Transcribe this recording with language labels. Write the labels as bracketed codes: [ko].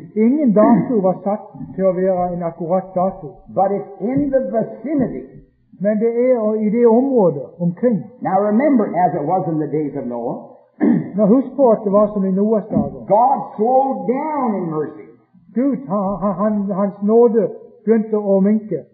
[no] Ingen dato var satt til å være en akkurat dato. [en] But it's in the vicinity. [no] Men det er i det området omkring. [en] Now remember, as it was in the days of Noah. [no] Nå husk på at det var som i Noahs dager. [en] God slowed down in mercy. [no] Gud, hans nåde begynte å minke.